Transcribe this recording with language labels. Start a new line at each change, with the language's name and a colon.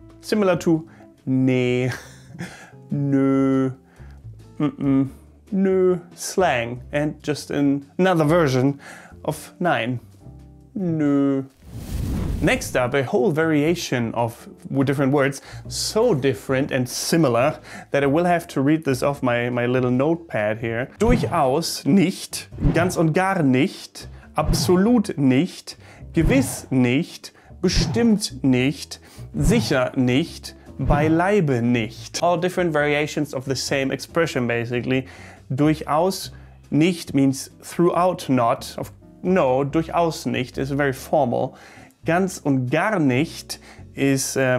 English: Similar to, nee, nö, mm-mm, nö, slang. And just another version of nein, nö. Next up, a whole variation of different words, so different and similar that I will have to read this off my little notepad here.
German: Durchaus nicht, ganz und gar nicht, absolut nicht, gewiss nicht, bestimmt nicht, sicher nicht, beileibe nicht.
English: All different variations of the same expression, basically.
German: Durchaus nicht
English: means throughout not. No,
German: durchaus nicht
English: is very formal.
German: Ganz und gar nicht
English: is